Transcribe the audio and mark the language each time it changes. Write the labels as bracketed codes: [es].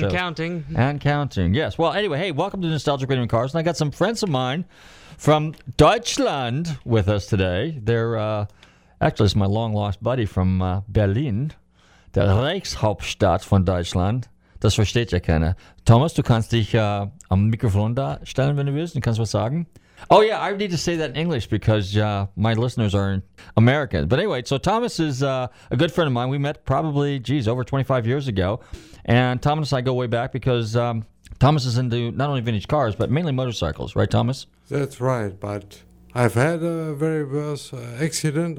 [en] And counting. And counting, yes. Well, anyway, hey, welcome to Nostalgic Radio and Cars. And I got some friends of mine from Deutschland with us today. They're actually, it's my long-lost buddy from Berlin, the [de] Reichshauptstadt von Deutschland. Das versteht ja keiner. Thomas, du kannst dich am Mikrofon da stellen, wenn du willst. Du kannst was sagen. [en] Oh, yeah, I need to say that in English because my listeners are American. But anyway, so Thomas is a good friend of mine. We met probably, over 25 years ago. And Thomas and I go way back because Thomas is into not only vintage cars, but mainly motorcycles. Right, Thomas? That's right. But I've had a very worse accident.